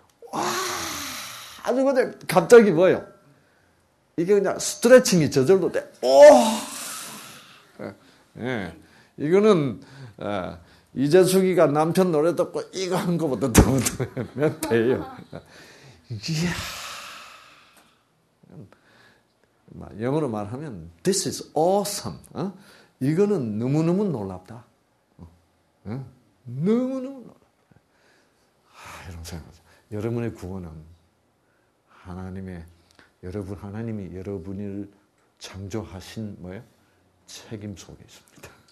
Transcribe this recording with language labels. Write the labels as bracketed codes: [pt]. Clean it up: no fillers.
[ko] 와, 아주 그냥 갑자기 뭐예요? 이게 그냥 스트레칭이 저절로 돼. 오! 예. 이거는, 이재숙이가 남편 노래 듣고 이거 한 것보다 너무 몇 배예요. 이야. 영어로 말하면, [en] this is awesome. [ko] 이거는 너무너무 놀랍다. 너무너무 놀랍다. 이런 생각하죠. 여러분의 구원은 하나님의 여러분, 하나님이 여러분을 창조하신, 뭐예요? 책임 속에 있습니다.